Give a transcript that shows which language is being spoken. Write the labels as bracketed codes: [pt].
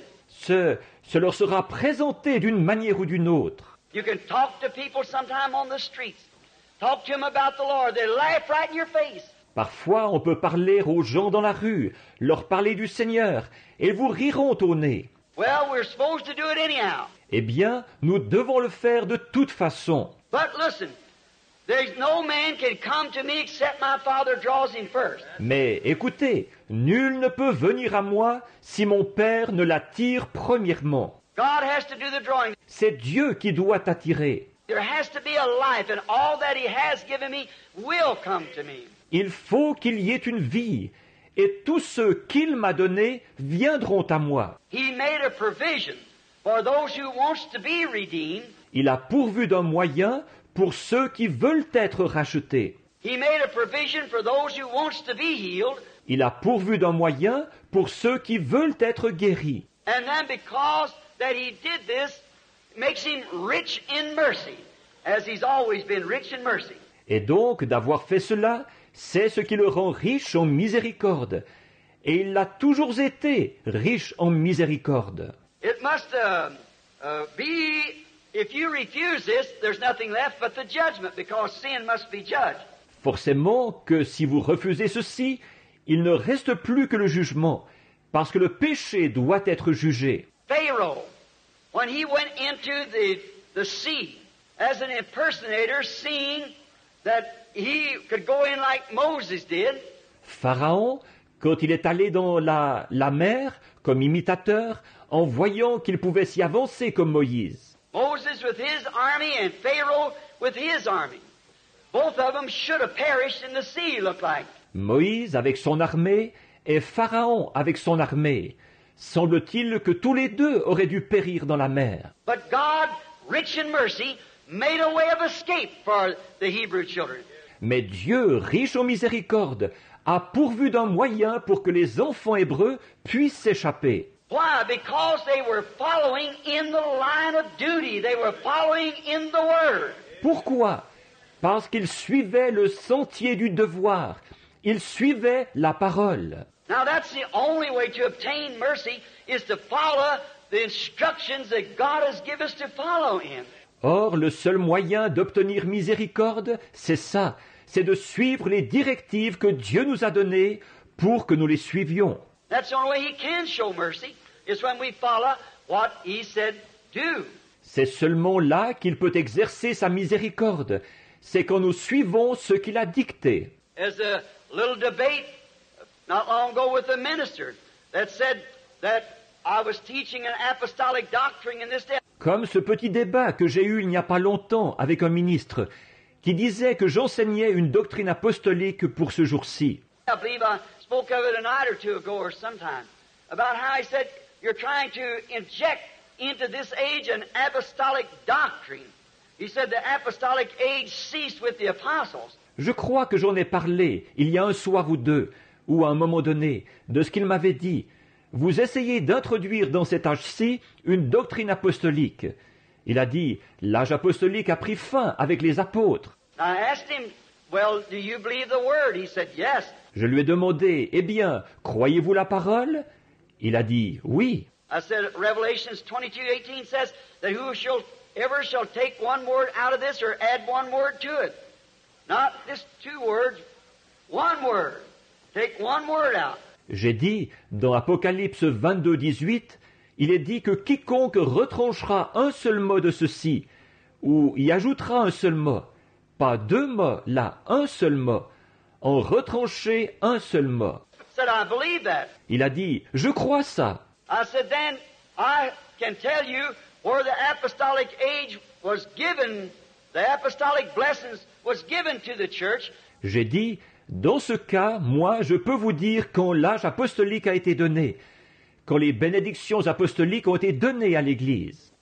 [fr] Ce leur sera présenté d'une manière ou d'une autre. [en] You can talk to people sometime on the streets. Talk to them about the Lord. They laugh right in your face. [fr] Parfois, on peut parler aux gens dans la rue, leur parler du Seigneur, et vous riront au nez. [en] Well, we're supposed to do it anyhow. [fr] Eh bien, nous devons le faire de toute façon. [en] But listen, there's no man can come to me except my Father draws him first. [fr] Mais écoutez, nul ne peut venir à moi si mon Père ne l'attire premièrement. [en] God has to do the drawing. [fr] C'est Dieu qui doit attirer. [en] There has to be a life, and all that he has given me will come to me. [fr] Il faut qu'il y ait une vie, et tous ceux qu'il m'a donnés viendront à moi. [en] He made a provision for those who wants to be redeemed. [fr] Il a pourvu d'un moyen pour ceux qui veulent être rachetés. [en] He made a provision for those who wants to be healed. [fr] Il a pourvu d'un moyen pour ceux qui veulent être guéris. [en] And then because that he did this makes him rich in mercy, as he's always been rich in mercy. [fr] Et donc d'avoir fait cela, c'est ce qui le rend riche en miséricorde. Et il l'a toujours été, riche en miséricorde. [en] It must be, if you refuse this, there's nothing left but the judgment, because sin must be judged. [fr] Forcément que si vous refusez ceci, il ne reste plus que le jugement, parce que le péché doit être jugé. [en] Pharaoh, when he went into the sea as an impersonator, seeing that he could go in like Moses did. [fr] Pharaon, quand il est allé dans la mer comme imitateur, en voyant qu'il pouvait s'y avancer comme Moïse. [en] Moses with his army and Pharaoh with his army. Both of them should have perished in the sea, it looked like. [fr] Moïse avec son armée et Pharaon avec son armée. Semble-t-il que tous les deux auraient dû périr dans la mer. [en] But God, rich in mercy, made a way of escape for the Hebrew children. [fr] Mais Dieu, riche en miséricorde, a pourvu d'un moyen pour que les enfants hébreux puissent s'échapper. [en] Why? Because they were following in the line of duty. They were following in the word. [fr] Pourquoi? Parce qu'ils suivaient le sentier du devoir. Ils suivaient la parole. [en] Now that's the only way to obtain mercy is to follow the instructions that God has given us to follow him. [fr] Or, le seul moyen d'obtenir miséricorde, c'est ça, c'est de suivre les directives que Dieu nous a données pour que nous les suivions. [en] That's the only way he can show mercy, is when we follow what he said do. [fr] C'est seulement là qu'il peut exercer sa miséricorde, c'est quand nous suivons ce qu'il a dicté. [en] As a little debate not long ago with a minister that said that I was teaching an apostolic doctrine in this day. [fr] Comme ce petit débat que j'ai eu il n'y a pas longtemps avec un ministre qui disait que j'enseignais une doctrine apostolique pour ce jour-ci. [en] I believe I spoke of it a night or two ago or sometime about how I said you're trying to inject into this age an apostolic doctrine. He said the apostolic age ceased with the apostles. [fr] Je crois que j'en ai parlé il y a un soir ou deux ou à un moment donné de ce qu'il m'avait dit. Vous essayez d'introduire dans cet âge-ci une doctrine apostolique. Il a dit, l'âge apostolique a pris fin avec les apôtres. [en] I asked him, well, do you believe the word? He said, yes. [fr] Je lui ai demandé, eh bien, croyez-vous la parole? Il a dit, oui. [en] I said, Revelations 22:18 says that whosoever shall take one word out of this or add one word to it. Not just two words, one word. Take one word out. [fr] J'ai dit, dans Apocalypse 22:18, il est dit que quiconque retranchera un seul mot de ceci, ou y ajoutera un seul mot, pas deux mots, là, un seul mot, en retrancher un seul mot. [en] Said, I believe that. [fr] Il a dit, je crois ça. [en] I said, then, I can tell you where the apostolic age was given, the apostolic blessings was given to the church. [fr] J'ai dit, dans ce cas, moi, je peux vous dire quand l'âge apostolique a été donné, quand les bénédictions apostoliques ont été données à l'Église.